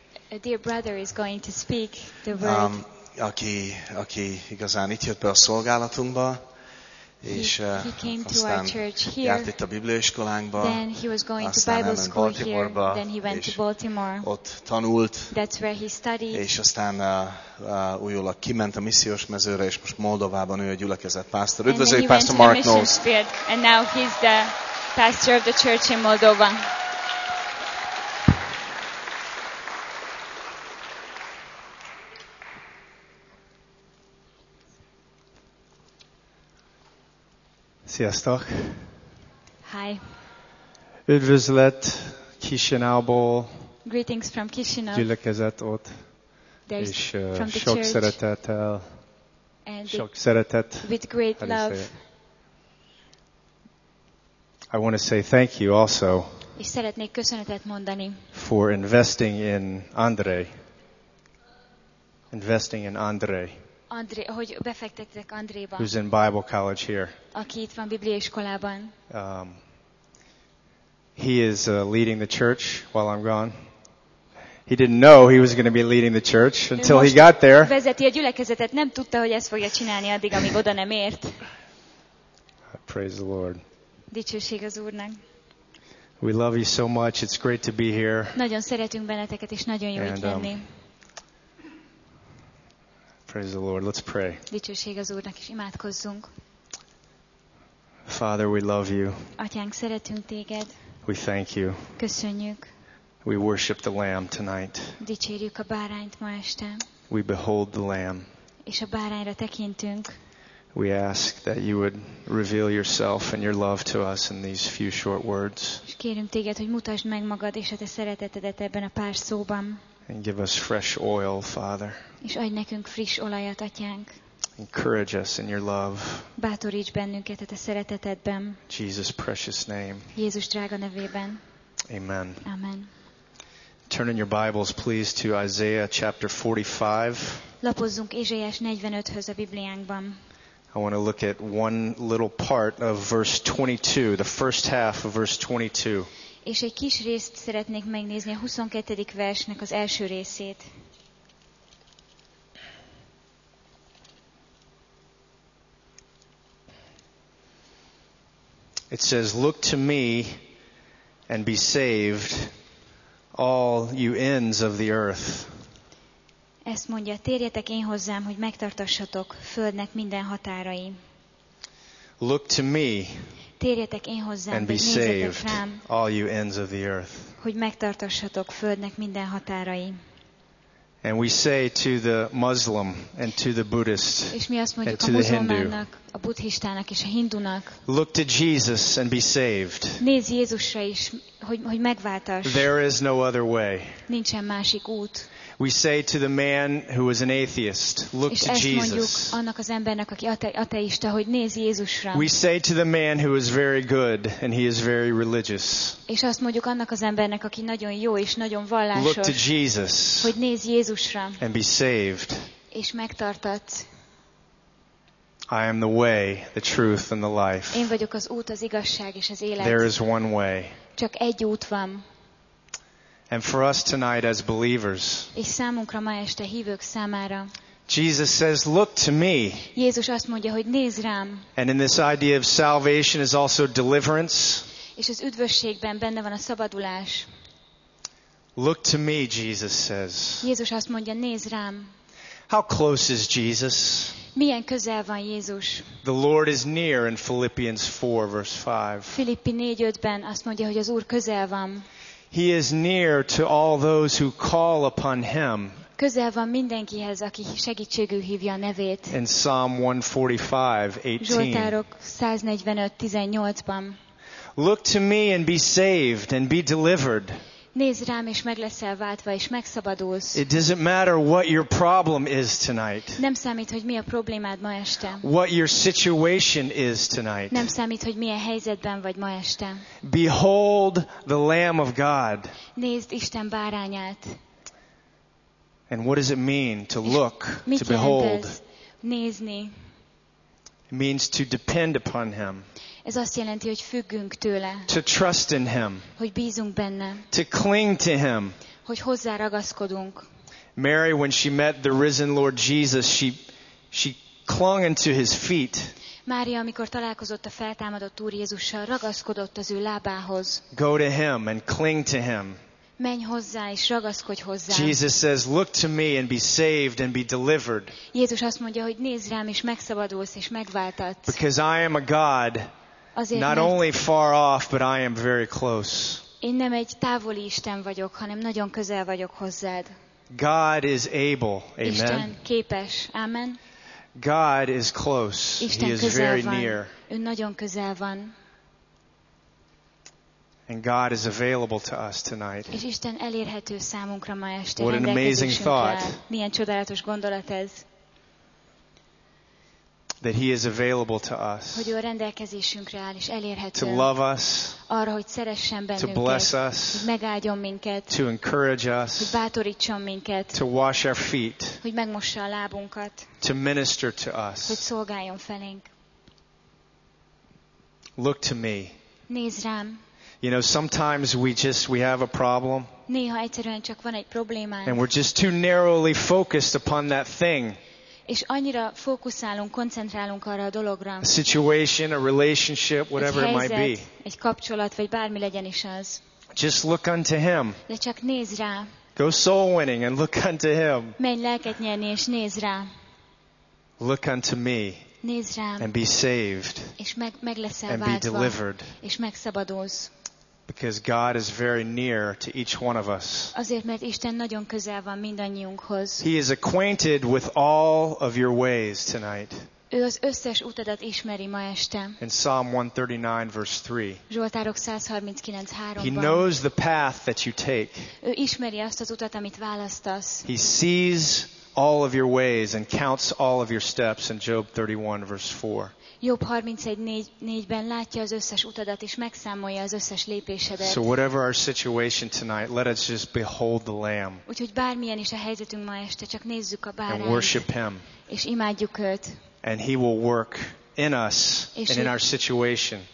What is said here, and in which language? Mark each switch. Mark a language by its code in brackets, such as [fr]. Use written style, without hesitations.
[en] A dear brother is going to speak the word. [hu] Aki igazán itt jött be a szolgálatunkba, és aztán járt itt a Biblióiskolánkba, aztán elment Baltimore, ott tanult, [en] that's where he studied, [hu] és aztán újólag kiment a missziós mezőre, és most Moldovában ő a gyülekezet pásztor. Üdvözlőjük Pastor Mark Knowles! [en] And now he's the pastor of the church in Moldova. [hu] Sziasztok! [en] Hi! [hu] Üdvözlet Chișinău-ból. [en] Greetings from Chișinău. [hu] Gyülekezet ott. [en] There's [hu] és [en] from the [hu] sok szeretettel. Sok szeretet. [en] With great love. I want to say thank you also. [hu] És szeretnék köszönetet mondani. [en] For investing in André. Investing in André. [hu] André, hogy befektettek Andréba. [en] Who's in Bible college here? [hu] Aki itt van Bibliaiskolában. [en] He is leading the church while I'm gone. He didn't know he was going to be leading the church until he got there. [hu] Vezeti a gyülekezetet, nem tudta, hogy ezt fogja csinálni addig, amíg oda nem ért. [en] Praise the Lord. [hu] Dicsőség az Úrnak. [en] We love you so much. It's great to be here. [hu] Nagyon szeretünk benneteket, és nagyon jó itt lenni. [en] Praise the Lord. Let's pray. [hu] Dicsőség az Úrnak, és imádkozzunk. [en] Father, we love you. [hu] Atyánk, szeretünk téged. [en] We thank you. [hu] Köszönjük. [en] We worship the Lamb tonight. [hu] Dicsérjük a bárányt ma este. [en] We behold the Lamb. [hu] És a bárányra tekintünk. [en] We ask that you would reveal yourself and your love to us in these few short words. [hu] És kérünk téged, hogy mutasd meg magad és a te szeretetedet ebben a pár szóban. [en] And give us fresh oil, Father. [hu] És adj nekünk friss olajat, atyánk. [en] Encourage us in your love. [hu] Bátoríts bennünket a te szeretetedben. [en] Jesus precious name. [hu] Jézus drága nevében. [en] Amen. [hu] Amen. [en] Turn in your Bibles please to Isaiah chapter 45. [hu] Lapozzunk Ézsaiás 45-höz a Bibliánkban. [en] I want to look at one little part of verse 22, the first half of verse 22. [hu] És egy kis részt szeretnék megnézni a 22. versnek az első részét. [en] It says, look to me and be saved, all you ends of the earth. [hu] Ezt mondja, térjetek én hozzám, hogy megtartassatok földnek minden határai. [en] Look to me. [hu] Térjetek én hozzám, [en] and be saved, all you ends of the earth. [hu] Hogy megtartassatok földnek minden határai. [en] And we say to the Muslim and to the Buddhist and to the Hindu, [hu] a buddhistának és a hindunak, [en] look to Jesus and be saved. [hu] Nézz Jézusra is, hogy megváltass. [en] There is no other way. [hu] Nincsen másik út. [en] We say to the man who was an atheist, look to Jesus. [hu] És ezt mondjuk annak az embernek, aki ateista, hogy nézz Jézusra. [en] We say to the man who is very good and he is very religious. [hu] És azt mondjuk annak az embernek, aki nagyon jó és nagyon vallásos. [en] Look to Jesus. [hu] Hogy nézz Jézusra. [en] And be saved. [hu] És megtartat. [en] I am the way, the truth and the life. [hu] Én vagyok az út, az igazság és az élet. [en] There is one way. [hu] Csak egy út van. [en] And for us tonight as believers. [hu] És számunkra ma este hívők számára. [en] Jesus says, look to me. [hu] Jézus azt mondja, hogy nézz rám. [en] And in this idea of salvation is also deliverance. [hu] És az üdvösségben benne van a szabadulás. [en] Look to me, Jesus says. [hu] Jézus azt mondja, nézz rám. [en] How close is Jesus? [hu] Milyen közel van Jézus? [en] The Lord is near in Philippians 4 verse 5. [hu] Filippi 4:5-ben azt mondja, hogy az Úr közel van. [en] He is near to all those who call upon him. [hu] Közel van mindenkihez, aki segítségül hívja a nevét. [en] In Psalm 145:18. [hu] Zsoltárok 145:18-ban. [en] Look to me and be saved and be delivered. [hu] Nézz rám, és meg leszel váltva, és megszabadulsz. [en] It doesn't matter what your problem is tonight. [hu] Nem számít, hogy mi a problémád ma este. [en] What your situation is tonight. [hu] Nem számít, hogy milyen helyzetben vagy ma este. [en] Behold the Lamb of God. [hu] Nézd Isten bárányát. [en] And what does it mean to look, [hu] mit [en] to behold? [hu] Nézni. [en] It means to depend upon him. [hu] Ez azt jelenti, hogy függünk tőle. [en] To trust in him. [hu] Hogy bízunk benne. [en] To cling to him. [hu] Hogy hozzá ragaszkodunk. [en] Mary, when she met the risen Lord Jesus, she clung into his feet. [hu] Mária, amikor találkozott a feltámadott Úr Jézussal, ragaszkodott az ő lábához. [en] Go to him and cling to him. [hu] Menj hozzá és ragaszkodj hozzá. [en] Jesus says, look to me and be saved and be delivered. [hu] Jézus azt mondja, hogy nézz rám és megszabadulsz és megváltatsz. [en] Because I am a God, [hu] azért [en] not only far off, but I am very close. [hu] Én nem egy távoli Isten vagyok, hanem nagyon közel vagyok hozzád. [en] God is able. [hu] Amen. Isten képes. Amen. [en] God is close. [hu] Isten [en] he is very [hu] van. [en] Near. [hu] Ő nagyon közel van. [en] And God is available to us tonight. [hu] És Isten elérhető számunkra ma este. [en] What an amazing thought. [hu] Milyen csodálatos gondolat ez. [en] That he is available to us. [hu] Hogy ő a rendelkezésünkre áll és elérhető. [en] To love us. [hu] Arra, hogy szeressen bennünket. [en] To bless us. [hu] Hogy megáldjon minket. [en] To encourage us. [hu] Hogy bátorítson minket. [en] To wash our feet. [hu] Hogy megmossa a lábunkat. [en] To minister to us. [hu] Hogy szolgáljon felénk. [en] Look to me. [hu] Nézz rám. [en] You know, sometimes we have a problem. [hu] Néha egyszerűen csak van egy problémánk. [en] And we're just too narrowly focused upon that thing. [hu] És annyira fókuszálunk, koncentrálunk arra a dologra. [en] A situation, a relationship, whatever [hu] helyzet, [en] it might be. [hu] Egy kapcsolat, vagy bármi legyen is az. [en] Just look unto him. [hu] De csak nézz rá. [en] Go soul winning and look unto him. [hu] Menj lelket nyerni és nézz rá. [en] Look unto me. [hu] Nézz rám. [en] And be saved. [hu] És meg leszel [en] and [hu] váltva. [en] And be delivered. [hu] És megszabadulsz. [en] Because God is very near to each one of us. [hu] Azért, mert Isten nagyon közel van mindannyiunkhoz. [en] He is acquainted with all of your ways tonight. [hu] Ő az összes utadat ismeri ma este. [en] In Psalm 139, verse 3. [hu] Zsoltárok 139:3-ban. [en] He knows the path that you take. [hu] Ő ismeri azt az utat, amit választasz. [en] He sees all of your ways and counts all of your steps in Job 31, verse 4. [hu] Jobb 31:4-ben látja az összes utadat és megszámolja az összes lépésedet. [en] So whatever our situation tonight, let us just behold the Lamb. [hu] Úgyhogy bármilyen is a helyzetünk ma este, csak nézzük a bárányt. [en] And worship him. [hu] És imádjuk őt. [en] And he will work in us and in our situation.